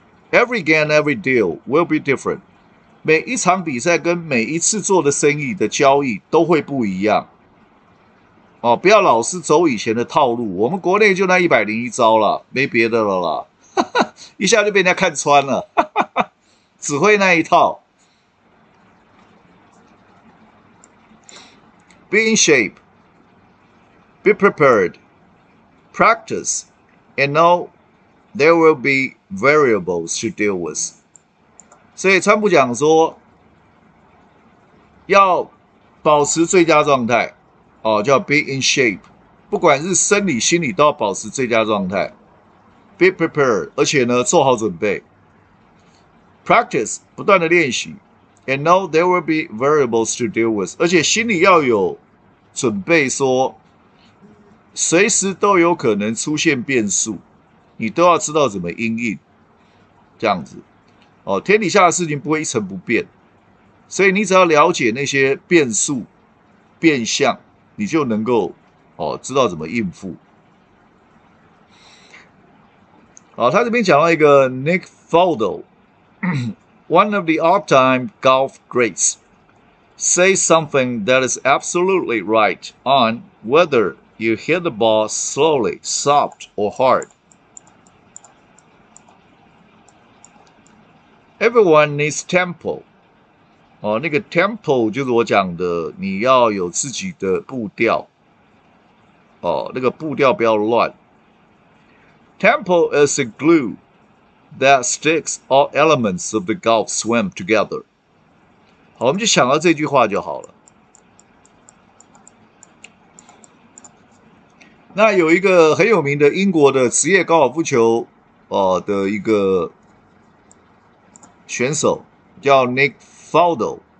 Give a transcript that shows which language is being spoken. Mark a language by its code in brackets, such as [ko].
[en] Every game, every deal will be different， [zh] 每一场比赛跟每一次做的生意的交易都会不一样。不要老是走以前的套路，我们国内就那101招了，没别的了啦，一下就被人家看穿了，只会那一套。 [en] Be in shape, be prepared, practice, and know there will be variables to deal with。 [zh] 所以川普讲说，要保持最佳状态。叫 [en] be in shape， [zh] 不管是生理心理都要保持最佳状态 ， [en] be prepared， [zh] 而且呢做好准备 ，practice 不断的练习 ， [en] and know there will be variables to deal with， [zh] 而且心里要有准备说，随时都有可能出现变数，你都要知道怎么因应，这样子，天底下的事情不会一成不变，所以你只要了解那些变数、变相。你就能够知道怎么应付。他这边讲到一个 [en] Nick Faldo， one of the all-time golf greats， say something that is absolutely right on whether you hit the ball slowly, soft or hard. Everyone needs tempo。 [zh] 那个 tempo 就是我讲的，你要有自己的步调，那个步调不要乱。 [en] Tempo is a glue that sticks all elements of the golf swim together。 [zh] 好，我们就想到这句话就好了。那有一个很有名的英国的职业高尔夫球，的一个选手叫 Nick Faldo。